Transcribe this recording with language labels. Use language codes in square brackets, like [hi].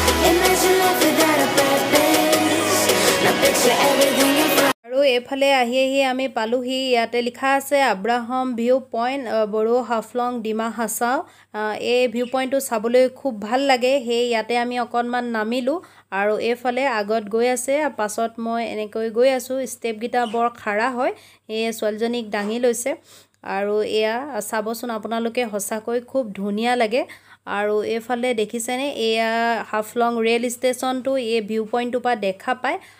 [en] Imagine life without a purpose. Now picture everything. [as] এইফালে আহি আহি আমি পালোহি, ইয়াতে লিখা আছে আব্ৰাহাম ভিউ পইণ্ট বড়ো হাফলং ডিমা হাছাও। এই ভিউ পইণ্টটো চাবলৈ খুব ভাল লাগে, সেই ইয়াতে আমি অকণমান নামিলোঁ। আৰু এইফালে আগত গৈ আছে, পাছত মই এনেকৈ গৈ আছোঁ, ষ্টেপকেইটা বৰ খাৰা হয়, সেয়ে ছোৱালীজনীক দাঙি লৈছে। আৰু এয়া চাবচোন আপোনালোকে, সঁচাকৈ খুব ধুনীয়া লাগে। আৰু এইফালে দেখিছেনে, এয়া হাফলং ৰেল ষ্টেচনটো এই ভিউ পইণ্টটোৰ পৰা দেখা পায়।